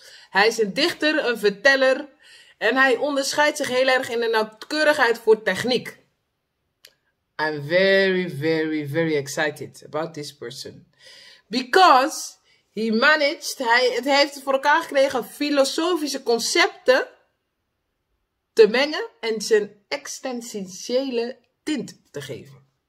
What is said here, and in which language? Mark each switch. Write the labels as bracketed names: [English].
[Dutch] Hij is een dichter, een verteller. En hij onderscheidt zich heel erg in de nauwkeurigheid voor techniek. [English] I'm very, very, very excited about this person. Because he managed, [Dutch] het heeft het voor elkaar gekregen filosofische concepten te mengen en zijn existentiële tint te geven.